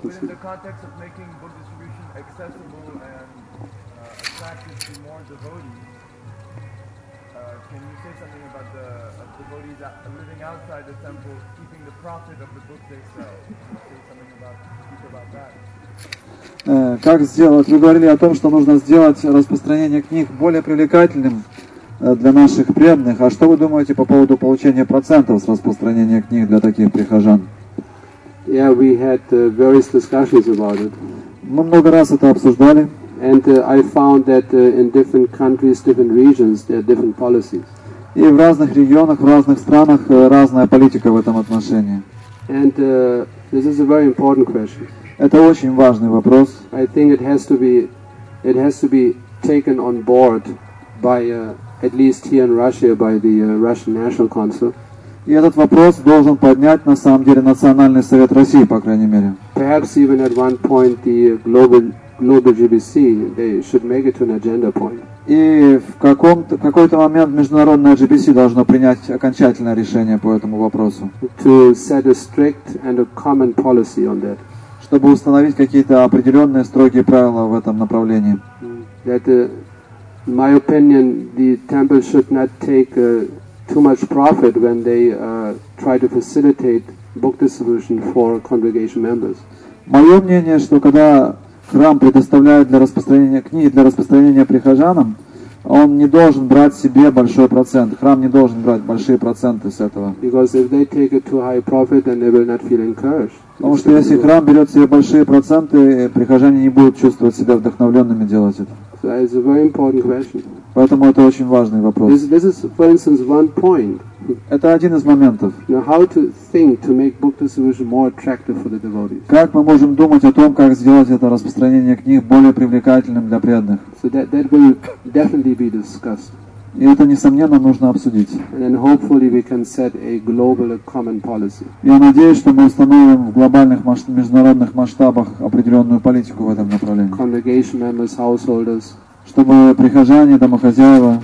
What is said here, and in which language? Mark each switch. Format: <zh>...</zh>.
<en>But in the context of making book distribution accessible and attractive to more devotees, can you say something about the devotee living outside the temple, keeping the profit of the book they sell.</en> <ru>Как сделать? Вы говорили о том, что нужно сделать распространение книг более привлекательным для наших преданных. А что вы думаете по поводу получения процентов с распространения книг для таких прихожан?</ru> <en>Yeah, we had various discussions about it.</en> <ru>Мы много раз это обсуждали.</ru> <en>And I found that in different countries, different regions, there are different policies.</en> <ru>И в разных регионах, в разных странах разная политика в этом отношении.</ru> <en>And this is a very important question.</en> <ru>Это очень важный вопрос.</ru> <en>I think it has to be taken on board by at least here in Russia by the Russian National Council.</en> <ru>И этот вопрос должен поднять, на самом деле, Национальный Совет России, по крайней мере.</ru> <en>Perhaps even at one point the global GBC, they should make it to an agenda point.</en> <ru>И в какой-то момент международное GBC должно принять окончательное решение по этому вопросу.</ru> <en>To set a strict and a common policy on that.</en> <ru>Чтобы установить какие-то определенные строгие правила в этом направлении.</ru> <en>That, in my opinion, the temple should not take too much profit when they try to facilitate book distribution for congregation members.</en> <ru>Мое мнение, что когда храм предоставляет для распространения книги, для распространения прихожанам, он не должен брать себе большой процент. Храм не должен брать большие проценты с этого.</ru> <en>Because if they take a too high profit, then they will not feel encouraged.</en> <ru>Потому что если храм берет себе большие проценты, прихожане не будут чувствовать себя вдохновленными делать это.</ru> <en>So it's a very important question.</en> <ru>Поэтому это очень важный вопрос.</ru> <en>This is, for instance, one point.</en> <ru>Это один из моментов.</ru> <en>Now, how to think to make book distribution more attractive for the devotees?</en> <ru>Как мы можем думать о том, как сделать это распространение книг более привлекательным для преданных?</ru> <en>So that will definitely be discussed.</en> <ru>И это, несомненно, нужно обсудить.</ru> <en>And then hopefully we can set a global common policy.</en> <ru>Я надеюсь, что мы установим в глобальных международных масштабах определенную политику в этом направлении.</ru> <en>Congregation members, householders.</en> <ru>Чтобы прихожане, домохозяева,</ru>